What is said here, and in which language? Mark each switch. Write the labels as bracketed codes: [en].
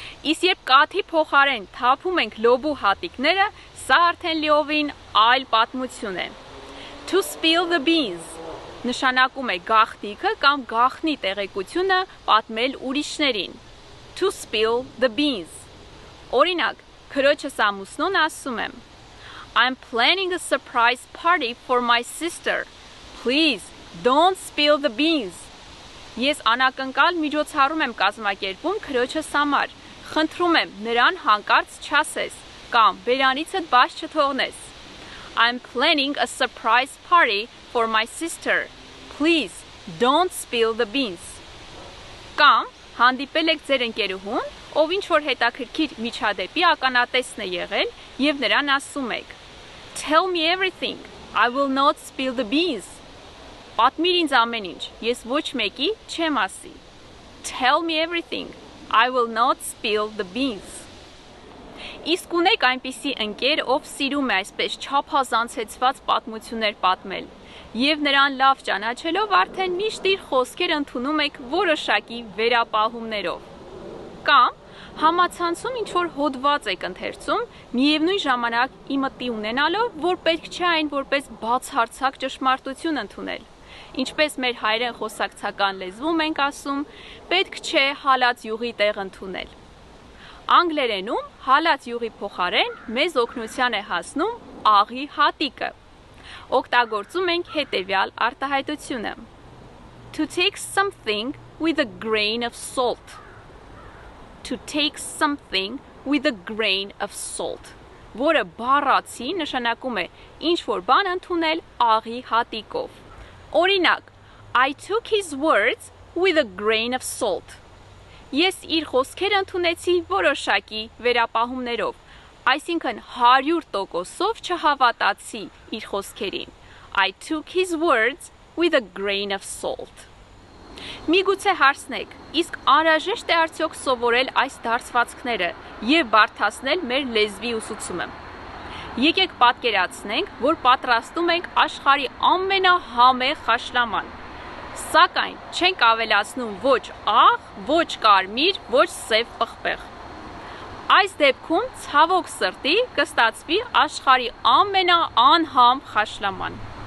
[hy] Իսկ երբ կաթի փոխարեն թափում ենք լոբու հատիկները, սա արդեն լիովին այլ պատմություն է։ [en] To spill the beans [hy] նշանակում է գաղտնիքը կամ գաղտնի տեղեկությունը պատմել ուրիշներին։ To spill the beans. Օրինակ, քրոջս ամուսնուն ասում եմ. [en] I'm planning a surprise party for my sister. Please, don't spill the beans. [hy] Ես անակնկալ միջոցառում եմ կազմակերպում քրոջս համար. Խնդրում եմ, նրան հանկարծ չասես կամ բերանիցդ բաց չթողնես. I'm planning a surprise party for my sister. Please, don't spill the beans. Կամ հանդիպել եք ձեր ընկերուհուն, ով ինչ-որ հետաքրքիր միջադեպի ականատեսն է եղել եւ նրան ասում եք. [en] Tell me everything. I will not spill the beans. [hy] Պատմիր ինձ ամեն ինչ. Ես ոչ մեկի չեմ ասի. [en] Tell me everything. I will not spill the beans. [hy] Իսկ ունեք այնպիսի ընկեր, ով սիրում է այսպես չափազանցեցված պատմություններ պատմել, եւ նրան լավ ճանաչելով արդեն միշտ իր խոսքեր ընդունում եք որոշակի վերապահումներով։ Կամ Համացանցում ինչ-որ հոդված եք ընթերցում, միևնույն ժամանակ իմտի ունենալով, որ պետք չէ այն որպես բացարձակ ճշմարտություն ընդունել։ Ինչպես մեր հայերեն խոսակցական լեզվում ենք ասում, պետք չէ հալած յուղի տեղ ընդունել։ Անգլերենում հալած յուղի փոխարեն մեզ օգնության է հասնում աղի հատիկը։ Օգտագործում ենք հետևյալ արտահայտությունը. [en] To take something with a grain of salt. To take something with a grain of salt. [hy] Որը բառացի նշանակում է ինչ որ բան ընդունել աղի հատիկով։ Օրինակ, [en] I took his words with a grain of salt. [hy] Ես իր խոսքերը ընդունեցի որոշակի վերապահումներով, այսինքն 100%-ով չհավատացի իր խոսքերին. [en] I took his words with a grain of salt. [hy] Միգուցե հարցնեք, իսկ անհրաժեշտ է արդյոք սովորել այս դարձվածքները եւ բարձրացնել մեր լեզվի ուսուցումը։ Եկեք պատկերացնենք, որ պատրաստում ենք աշխարի ամենահամեղ խաշլաման։ Սակայն չենք ավելացնում ոչ աղ, ոչ կարմիր, ոչ սև պղպեղ։ Այս դեպքում ցավոք սրտի կստացվի աշխարի ամենաանհամ խաշլաման։